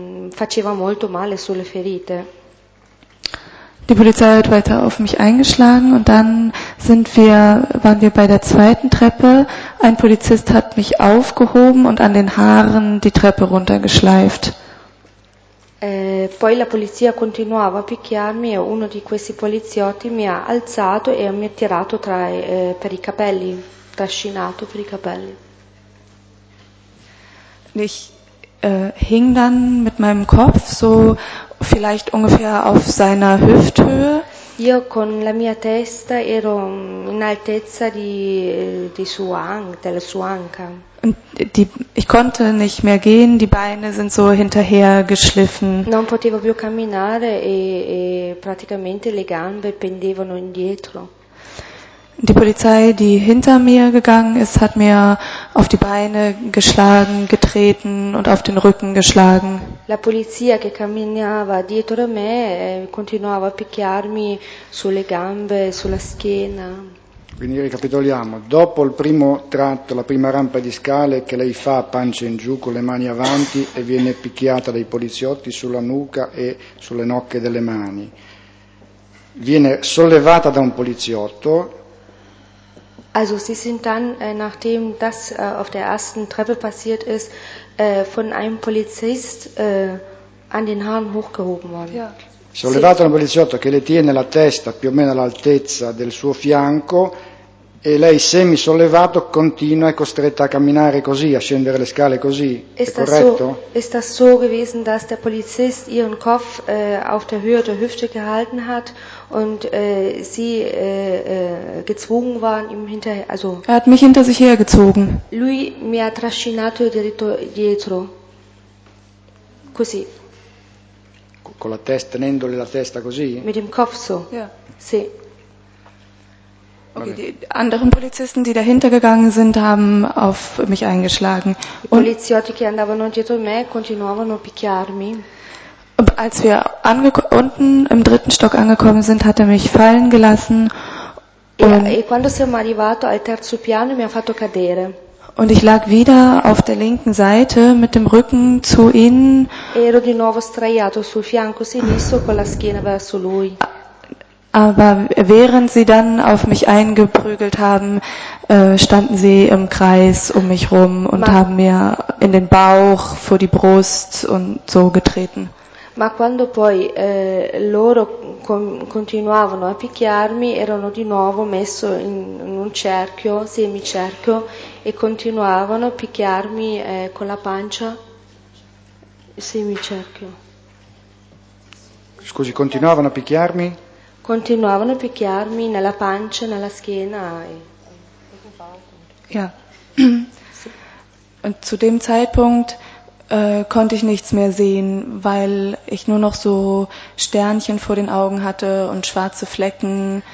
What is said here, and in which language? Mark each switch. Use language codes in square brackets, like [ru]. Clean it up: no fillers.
[it] Faceva molto male sulle ferite. [de] Die Polizei hat weiter auf mich eingeschlagen und dann waren wir bei der zweiten Treppe. Ein Polizist hat mich aufgehoben und an den Haaren die Treppe runtergeschleift. [it] Poi la polizia continuava a picchiarmi e uno di questi poliziotti mi ha alzato e mi ha tirato per i capelli, trascinato per i capelli. [de] Ich hing dann mit meinem Kopf so vielleicht ungefähr auf seiner Hüfthöhe. [it] Io con la mia testa ero in altezza della sua anca. [de] Ich konnte nicht mehr gehen, die Beine sind so hinterher geschliffen. [it] Non potevo più camminare e praticamente le gambe pendevano indietro. [de] Die Polizei, die hinter mir gegangen ist, hat mir auf die Beine geschlagen, getreten und auf den Rücken geschlagen. [it] La polizia che camminava dietro me continuava a picchiarmi sulle gambe, sulla schiena. Quindi ricapitoliamo, dopo il primo tratto, la prima rampa di scale che lei fa pancia in giù con le mani avanti e viene picchiata dai poliziotti sulla nuca e sulle nocche delle mani. Viene sollevata da un poliziotto. [de] Also sie sind dann, nachdem das auf der ersten Treppe passiert ist, von einem Polizist an den Haaren hochgehoben worden. Ja. [it] Sollevato da un poliziotto che le tiene la testa più o meno all'altezza del suo fianco e lei semi sollevato continua e costretta a camminare così, a scendere le scale così, è corretto? [de] Ist das so gewesen, dass der Polizist ihren Kopf auf der Höhe der Hüfte gehalten hat und sie gezwungen waren ihm hinterher, also er hat mich hinter sich hergezogen. [it] Lui mi ha trascinato dietro. Così. Con la testa, tenendole la testa così? [de] Mit dem Kopf so. Ja. [it] Sì. Okay, okay. [de] Die anderen Polizisten, die dahinter gegangen sind, haben auf mich eingeschlagen. [it] I poliziotti che andavano dietro me continuavano a picchiarmi. [de] Als wir unten im dritten Stock angekommen sind, hat er mich fallen gelassen. [it] E quando siamo arrivato al terzo piano mi ha fatto cadere. [de] Und ich lag wieder auf der linken Seite mit dem Rücken zu ihnen. [it] Ero di nuovo sdraiato sul fianco sinistro con la schiena verso lui. [de] Aber während sie dann auf mich eingeprügelt haben, standen sie im Kreis um mich rum und haben mir in den Bauch, vor die Brust und so getreten. [it] Ma quando poi loro continuavano a picchiarmi, erano di nuovo messo in un cerchio, semicerchio, e continuavano a picchiarmi con la pancia, semicerchio. Scusi, continuavano a picchiarmi? Continuavano a picchiarmi nella pancia, nella schiena. [de] Ja. Und zu dem Zeitpunkt konnte ich nichts mehr sehen, weil ich nur noch so Sternchen vor den Augen hatte und schwarze Flecken.